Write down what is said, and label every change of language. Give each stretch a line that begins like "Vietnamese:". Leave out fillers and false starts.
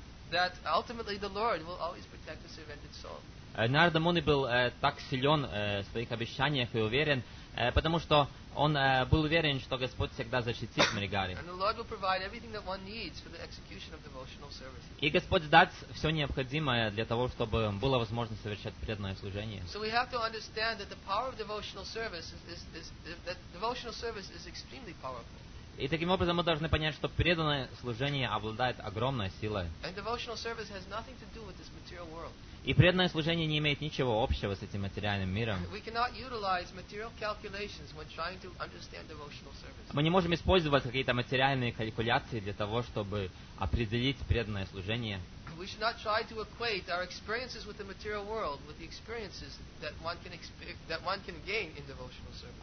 English: That ultimately the Lord will always protect his surrendered soul.
Russian: Нарада Муни был так силен в своих обещаниях и уверен, потому что он был уверен, что Господь всегда защитит Мригари.
English: And the Lord will provide everything that one needs for the execution of devotional service.
Russian: И Господь даст все необходимое для того, чтобы было возможно совершать преданное служение.
English: So we have to understand that the power of devotional service is that devotional service is extremely powerful.
Russian: И таким образом мы должны понять, что преданное служение обладает огромной силой.
English: And devotional service has nothing to do with this material world.
Russian: И преданное служение не имеет ничего общего с этим материальным миром.
English: We cannot utilize material calculations when trying to understand devotional service.
Russian: Мы не можем использовать какие-то материальные калькуляции для того, чтобы определить преданное служение.
English: We should not try to equate our experiences with the material world with the experiences that one can gain in devotional service.